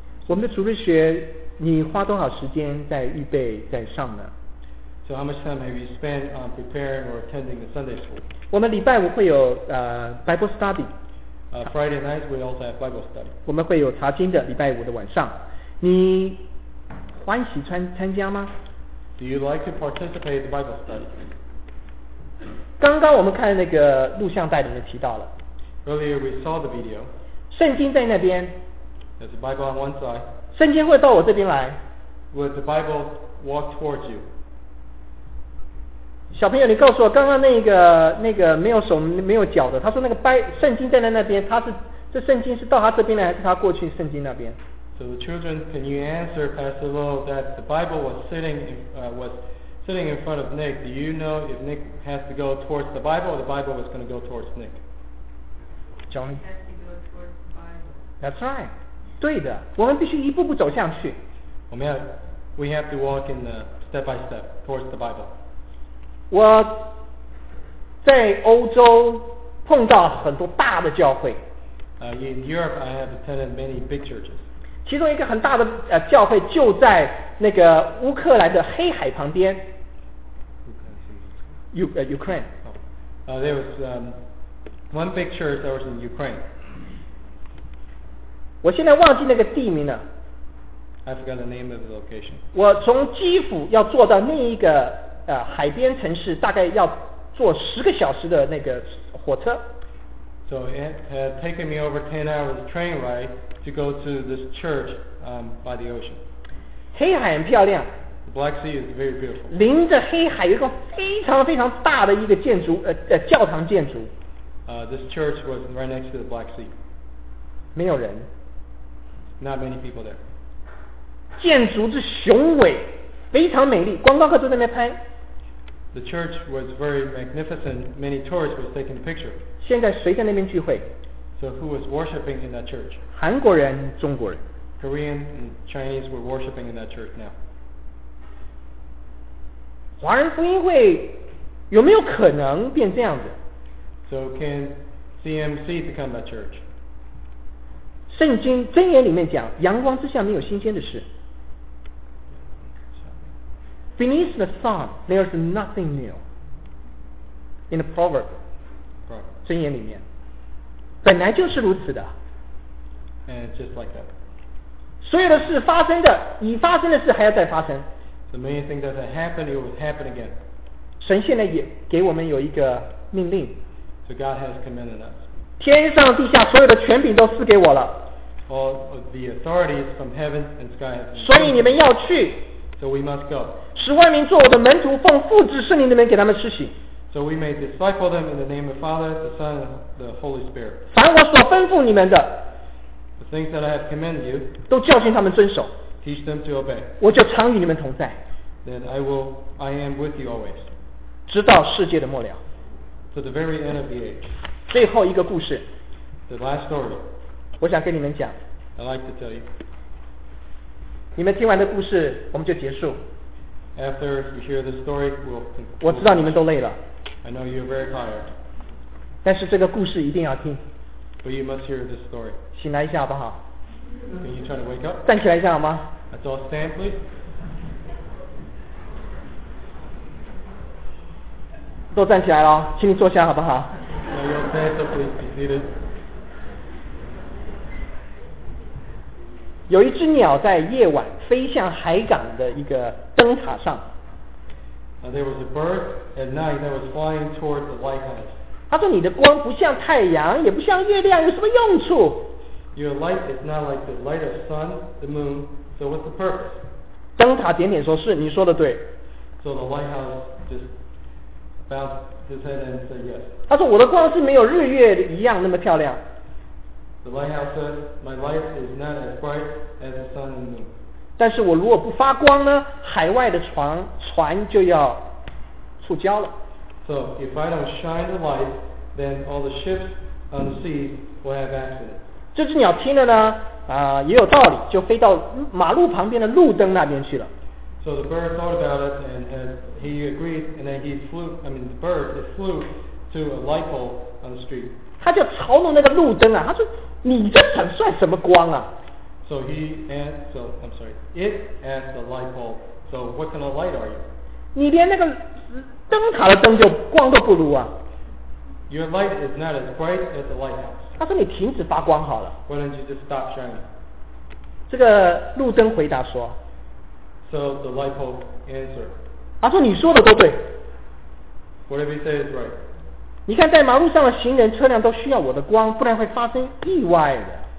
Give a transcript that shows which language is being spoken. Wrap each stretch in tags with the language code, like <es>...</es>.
<zh>我们的主日学，你花多少时间在预备在上呢？</zh> <en>So how much time have you spent on preparing or attending the Sunday school?</en> <zh>我们礼拜五会有Bible study.</zh> <en>Friday night we also have Bible study.</en> <zh>我们会有查经的礼拜五的晚上。你欢喜参加吗？</zh> <en>Do you like to participate in the Bible study?</en> <zh>刚刚我们看那个录像带里面提到了。</zh> <en>Earlier we saw the video.</en> <zh>圣经在那边。</zh> <en>There's a Bible on one side.</en> <zh>圣经会到我这边来。</zh> <en>Will the Bible walk towards you?</en> <zh>小朋友，你告诉我，刚刚那个没有手没有脚的，他说那个圣经站在那边，这圣经是到他这边来，还是他过去圣经那边</zh> <en>？So the children, can you answer Pastor Lo that the Bible was sitting in front of Nick? Do you know if Nick has to go towards the Bible or the Bible was going to go towards Nick? Johnny has to go towards the Bible. That's right.</en> <zh>对的，我们必须一步步走向去。</zh> <en>We have to walk in the step by step towards the Bible.</en> <zh>我在欧洲碰到很多大的教会。</zh> <en>In Europe, I have attended many big churches.</en> <zh>其中一个很大的教会就在那个乌克兰的黑海旁边。</zh> <en>Ukraine. There was one big church that was in Ukraine.</en> <zh>我现在忘记那个地名了。</zh> <en>I forgot the name of the location.</en> <zh>我从基辅要坐到另一个。海边城市大概要坐十个小时的那个火车。</zh> <en>So it had taken me over 10 hours train ride to go to this church by the ocean.</en> <zh>黑海很漂亮。</zh> <en>The Black Sea is very beautiful.</en> <zh>临着黑海有一个非常非常大的一个建筑，教堂建筑。</zh> <en>This church was right next to the Black Sea.</en> <zh>没有人。</zh> <en>Not many people there.</en> <zh>建筑之雄伟。非常美丽，观光客都在那边拍。</zh> <en>The church was very magnificent. Many tourists were taking pictures.</en> <zh>现在谁在那边聚会</zh> <en>？So who was worshiping in that church?</en> <zh>韩国人、中国人。</zh> <en>Korean and Chinese were worshiping in that church now.</en> <zh>华人福音会有没有可能变这样子</zh> <en>？So can CMC become that church?</en> <zh>圣经箴言里面讲，阳光之下没有新鲜的事。</zh> <en>Beneath the sun, there's nothing new. In the proverb,</en> <zh>箴言里面，本来就是如此的。</zh> <en>And just like that.</en> <zh>所有的事发生的，已发生的事还要再发生。</zh> <en>The main thing that happened, it will happen again.</en> <zh>神现在也给我们有一个命令。</zh> <en>So God has commanded us.</en> <zh>天上地下所有的权柄都赐给我了。</zh> <en>All of the authorities from heaven and sky have been.</en> <zh>所以你们要去。</zh> <en>So we must go.</en> <zh>使万民做我的门徒，奉父子圣灵的名给他们施洗。</zh> <en>So we may disciple them in the name of Father, the Son, and the Holy Spirit.</en> <zh>凡我所吩咐你们的</zh> <en>，the things that I have commanded you,</en> <zh>都教训他们遵守。</zh> <en>Teach them to obey.</en> <zh>我就常与你们同在。</zh> <en>then I am with you always.</en> <zh>直到世界的末了。</zh> <en>To the very end of the age.</en> <zh>最后一个故事。</zh> <en>The last story.</en> <zh>我想跟你们讲。</zh> <en>I'd like to tell you.</en> <zh>你们听完的故事，我们就结束。</zh> <en>After you hear the story, we'll.</en> <zh>我知道你们都累了。</zh> <en>I know you're very tired.</en> <zh>但是这个故事一定要听。</zh> <en>But you must hear this story.</en> <zh>醒来一下好不好？</zh> <en>Can you try to wake up?</en> <zh>站起来一下好吗？</zh> <en>Let's all stand, please.</en> <zh>都站起来了，请你坐下好不好？</zh> <en>Now you're okay, so please be seated.</en> <zh>有一只鸟在夜晚飞向海港的一个灯塔上。</zh> <en>Now there was a bird at night that was flying towards the lighthouse.</en> <zh>他说你的光不像太阳，也不像月亮，有什么用处？</zh> <en>Your light is not like the light of sun, the moon, so what's the purpose?</en> <zh>灯塔点点说，是，你说的对。</zh> <en>So the lighthouse just bowed his head and said yes.</en> <zh>他说我的光是没有日月一样那么漂亮。</zh> <en>The lighthouse said, my light is not as bright as the sun and moon.</en> <zh>但是我如果不发光呢，海外的船就要触礁了。</zh> <en>So if I don't shine the light, then all the ships on the sea will have accidents.</en> <zh>这只鸟听了呢，也有道理，就飞到马路旁边的路灯那边去了。</zh> <en>So the bird thought about it and he agreed, and then the bird it flew to a light pole on the street.</en> <zh>他就嘲弄那个路灯啊，他说：“你这很算什么光啊</zh> <en>？”So he and so I'm sorry, it asked the light pole. So what kind of light are you?</en> <zh>你连那个灯塔的灯就光都不如啊。</zh> <en>Your light is not as bright as the lighthouse.</en> <zh>他说你停止发光好了。</zh> <en>Why don't you just stop shining?</en> <zh>这个路灯回答说。</zh> <en>So the light pole answered.</en> <zh>他说你说的都对。</zh> <en>Whatever you say is right.</en> <zh>你看在马路上的行人车辆都需要我的光，不然会发生意外的。</zh>